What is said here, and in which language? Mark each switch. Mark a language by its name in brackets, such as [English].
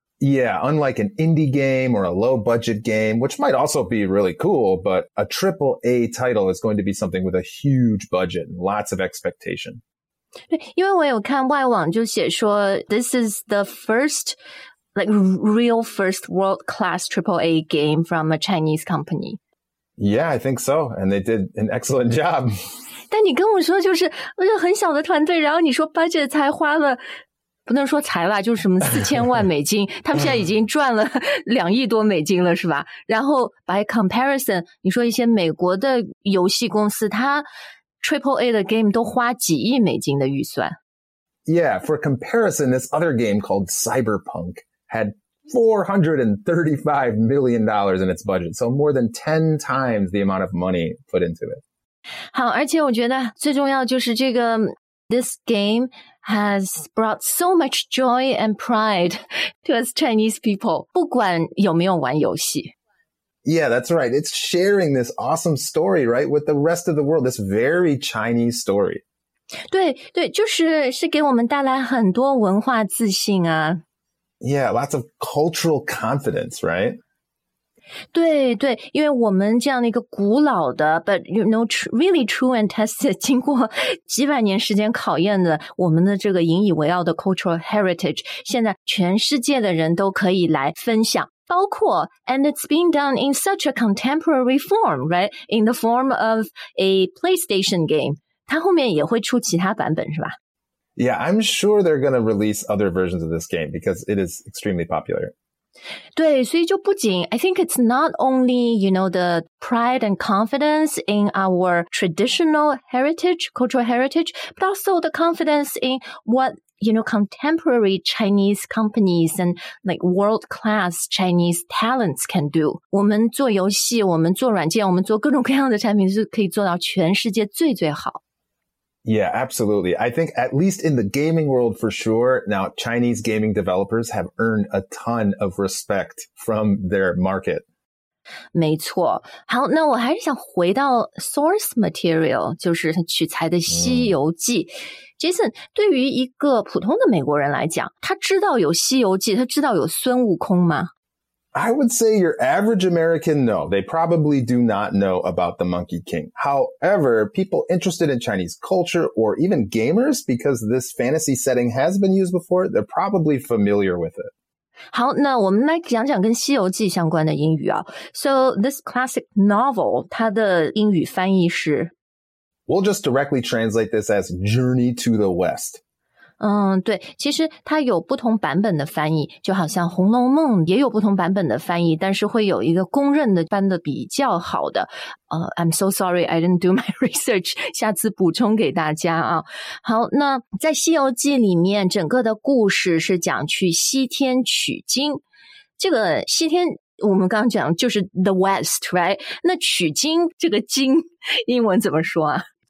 [English] Yeah, unlike an indie game or a low budget game, which might also be really cool, but a triple A title is going to be something with a huge budget and lots of expectation. [Chinese] 因为我有看外网就写说 [English] this is the first, like real first world class triple A game from a Chinese company. Yeah, I think so. And they did an excellent job. [Chinese] 但你跟我说就是很小的团队，然后你说 budget 才花了，不能说才吧，就是什么4000万美金，他们现在已经赚了2亿多美金了，是吧？然后 [English] by comparison, [Chinese] 你说一些美国的游戏公司，它 AAA 的 game 都花几亿美金的预算。 [English] Yeah, for comparison, this other game called Cyberpunk had... $435 million in its budget. So more than 10 times the amount of money put into it. [Chinese] 好，而且我觉得最重要就是这个 [English] This game has brought so much joy and pride to us Chinese people, [Chinese] 不管有没有玩游戏。 [English] Yeah, that's right. It's sharing this awesome story, right, with the rest of the world, this very Chinese story. [Chinese] 对对，就是是给我们带来很多文化自信啊。 [English] Yeah, lots of cultural confidence, right? [Chinese] 对对，因为我们这样的一个古老的 [English] but you know really true and tested [Chinese] 经过几百年时间考验的我们的这个引以为傲的 [English] cultural heritage [Chinese] 现在全世界的人都可以来分享包括 [English] and it's been done in such a contemporary form right in the form of a PlayStation game [Chinese] 它后面也会出其他版本是吧 [English] Yeah, I'm sure they're going to release other versions of this game because it is extremely popular. [Chinese] 对所以就不仅 [English] I think it's not only, you know, the pride and confidence in our traditional heritage, cultural heritage, but also the confidence in what, you know, contemporary Chinese companies and like world-class Chinese talents can do. [Chinese] 我们做游戏我们做软件我们做各种各样的产品是可以做到全世界最最好。 [English] Yeah, absolutely. I think at least in the gaming world for sure, now Chinese gaming developers have earned a ton of respect from their market. [Chinese] 没错。好，那我还是想回到 [English] source material, [Chinese] 就是取材的西游记。 Jason, 对于一个普通的美国人来讲，他知道有西游记，他知道有孙悟空吗？ [English] I would say your average American, no, they probably do not know about the Monkey King. However, people interested in Chinese culture or even gamers, because this fantasy setting has been used before, they're probably familiar with it. [Chinese] 好，那我们来讲讲跟西游记相关的英语啊。 [English] So this classic novel, [Chinese] 它的英语翻译是 [English] We'll just directly translate this as Journey to the West. [Chinese] 嗯，对，其实它有不同版本的翻译，就好像《红楼梦》也有不同版本的翻译，但是会有一个公认的翻的比较好的。 [English] I'm so sorry, I didn't do my research. [Chinese] 下次补充给大家啊。好，那在《西游记》里面，整个的故事是讲去西天取经。这个西天，我们刚刚讲就是 [English] the West, right? [Chinese] 那取经这个经，英文怎么说啊？